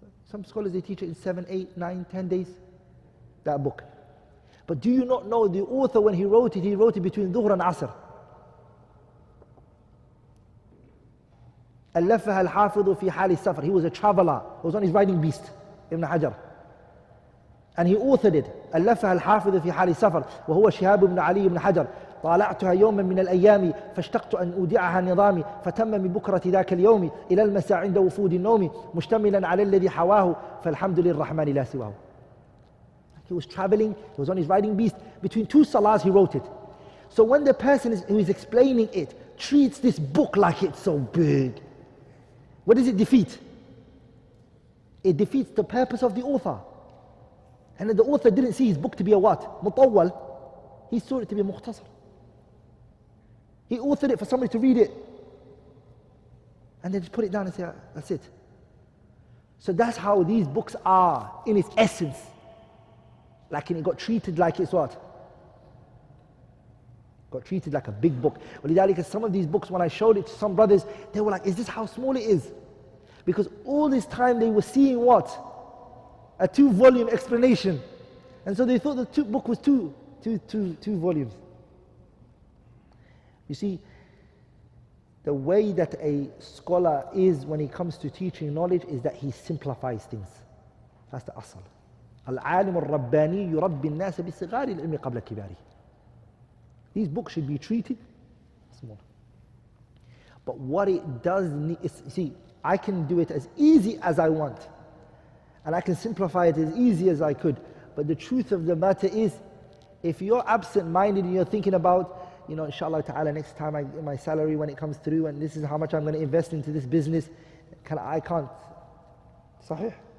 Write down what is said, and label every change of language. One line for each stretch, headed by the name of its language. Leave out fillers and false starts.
English: Some scholars, they teach it in 7, 8, 9, 10 days, that book. But do you not know the author, when he wrote it between Dhuhr and Asr.
Arabic: ألفها الحافظ في حال السفر.
English: He was a traveler. He was on his riding beast, Ibn Hajar. And he authored it.
Arabic: ألفها الحافظ في حال سفر وهو شهاب بن علي بن حجر طالعتها يوما من الأيام فاشتقت أن أودعها نظامي فتم من بكرة ذاك اليوم إلى المساء عند وفود النوم مشتملا على الذي حواه فالحمد للرحمن لا سواه.
English: He was traveling, he was on his riding beast. Between two salahs he wrote it. So when the person who is explaining it treats this book like it's so big, what does it defeat? It defeats the purpose of the author. And the author didn't see his book to be a what? Mutawwal. He saw it to be a mukhtasar. He authored it for somebody to read it. And they just put it down and say, that's it. So that's how these books are in its essence. Like, and it got treated like it's what? Got treated like a big book. Because some of these books, when I showed it to some brothers, they were like, is this how small it is? Because all this time they were seeing what? A two-volume explanation. And so they thought the book was two volumes. You see, the way that a scholar is when he comes to teaching knowledge is that he simplifies things. That's the asal.
Arabic: العالم الرباني يربي الناس بصغار العلم قبل كباري.
English: These books should be treated small. But what it does need is, see, I can do it as easy as I want. And I can simplify it as easy as I could. But the truth of the matter is, if you're absent-minded and you're thinking about, you know, inshallah ta'ala, next time my salary when it comes through and this is how much I'm going to invest into this business, I can't. Sahih?